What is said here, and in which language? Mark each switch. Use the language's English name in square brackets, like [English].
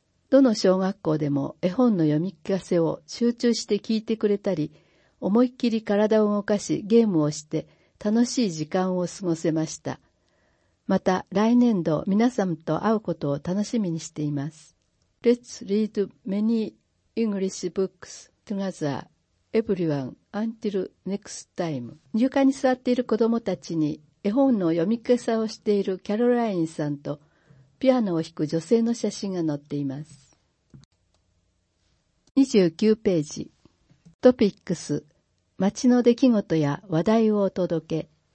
[Japanese] どの小学校でも絵本の読み聞かせを集中して聞いてくれたり、思いっきり体を動かしゲームをして楽しい時間を過ごせました。また来年度皆さんと会うことを楽しみにしています。 [English] Let's read many English books together, everyone, until next time. [Japanese] 入館に座っている子どもたちに、絵本の読み聞かせをしているキャロラインさんとピアノを弾く女性の写真が載っています。 29ページ。トピックス、町の出来事や話題をお届け。